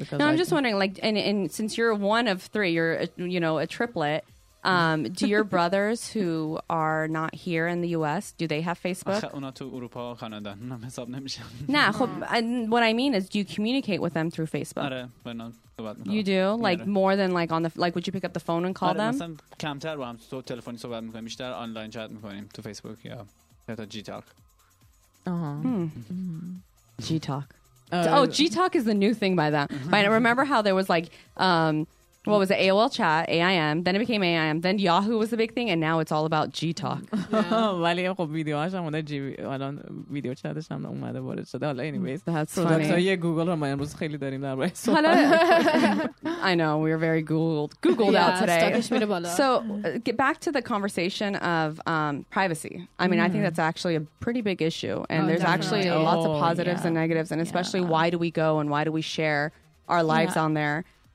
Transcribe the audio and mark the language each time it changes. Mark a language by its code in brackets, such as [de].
[en] Because I'm just wondering like and since you're one of three, you're you know, a triplet. Do your brothers who are not here in the US, do they have Facebook? No, what I mean is do you communicate with them through Facebook? Are, but not. You do like more than like on the like would you pick up the phone and call them? [fa] کمتر با هم تو تلفنی صحبت می‌کنیم، بیشتر آنلاین چت می‌کنیم تو فیسبوک یا حتی جی تاک. جی تاک. [en] Oh, GTalk is the new thing by that. But I remember how there was like what was it? AOL chat, AIM. Then it became AIM. Then Yahoo was the big thing, and now it's all about GTalk. [fa] ولی خب ویدیوهاش هم اون الان ویدیو چتش هم اومده وارد شده. حالا anyways, [en] that's funny. [fa] تو یه گوگل رو ما امروز خیلی داریم در بحث. [en] حالا I know we are very googled out today. So, get back to the conversation of privacy. I mean, I think that's actually a pretty big issue, and there's actually lots of positives and negatives, and especially why do we go and why do we share our lives on there?